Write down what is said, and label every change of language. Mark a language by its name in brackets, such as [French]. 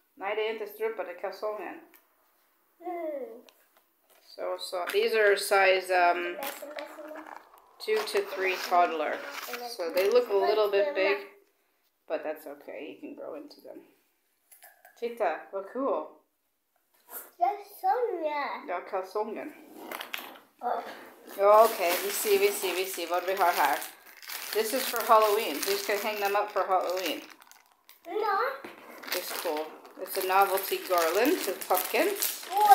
[Swedish] Nej, det är inte strumpa, det är kalsongen. [English] So these are size 2 to 3 toddler. So they look a little bit big. But that's okay, you can grow into them. [Swedish] Titta, vad cool. Kalsonger. Ja, kalsongen. Okay, vi ser vad vi har här. [English] This is for Halloween. We just can hang them up for Halloween. No. It's cool. It's a novelty garland with pumpkins.